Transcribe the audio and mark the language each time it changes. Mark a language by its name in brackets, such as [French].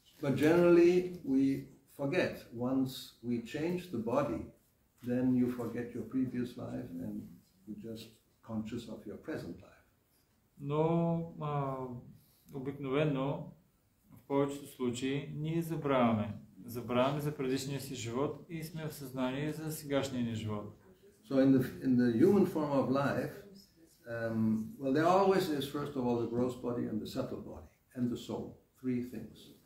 [English] But generally we forget, once we change the body, then you forget your previous life and you're just conscious of your present life. [Bulgarian] Но обикновено в повечето случаи ние забравяме. Забравяме за предишния си живот и сме в съзнание за сегашния ни живот. [English] So in the human form of life, well, there always is first of all the gross body and the subtle body and the soul, three things.